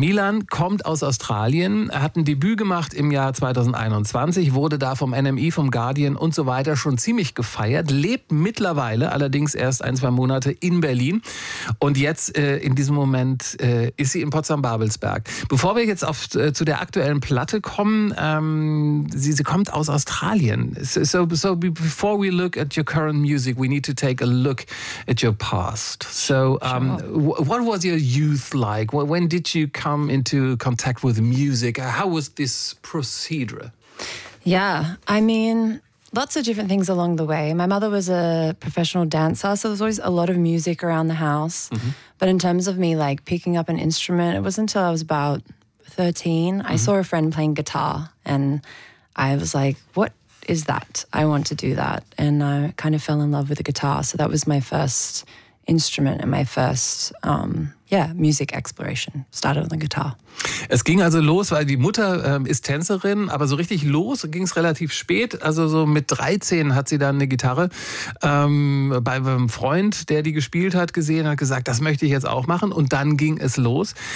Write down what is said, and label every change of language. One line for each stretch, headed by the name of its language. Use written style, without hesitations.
German: Milan kommt aus Australien, hat ein Debüt gemacht im Jahr 2021, wurde da vom NME, vom Guardian und so weiter schon ziemlich gefeiert, lebt mittlerweile allerdings erst ein, zwei Monate in Berlin und jetzt in diesem Moment ist sie in Potsdam-Babelsberg. Bevor wir jetzt zu der aktuellen Platte kommen, sie kommt aus Australien.
English: So before we look at your current music, we need to take a look at your past. So what was your youth like? When did you come into contact with music? How was this procedure? Yeah, I mean, lots of different things along the way. My mother was a professional dancer, so there was always a lot of music around the house. Mm-hmm. But in terms of me like picking up an instrument, it wasn't until I was about 13. Mm-hmm. I saw a friend playing guitar and I was like, what is that? I want to do that. And I kind of fell in love with the guitar. So that was my first instrument and my first music exploration started on the guitar.
German: Es ging also los, weil die Mutter ist Tänzerin, aber so richtig los ging es relativ spät. Also so mit 13 hat sie dann eine Gitarre bei einem Freund, der die gespielt hat, gesehen, hat gesagt, das möchte ich jetzt auch machen. Und dann ging es los.